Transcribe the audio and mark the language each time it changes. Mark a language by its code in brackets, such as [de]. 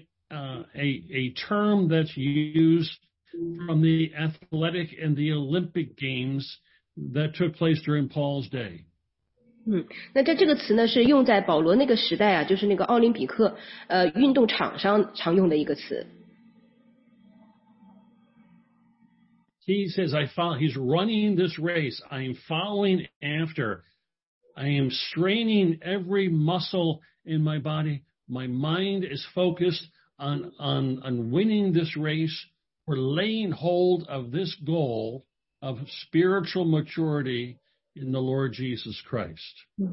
[en] This is a term that's used from the athletic and the Olympic games that took place during Paul's day. [zh] 那这个词呢是用在保罗那个时代啊，就是那个奥林匹克运动场上常用的一个词。 [en] He says, I follow, he's running this race, I am following after, I am straining every muscle in my body, my mind is focused on winning this race,We're laying hold of this goal of spiritual maturity in the Lord Jesus Christ.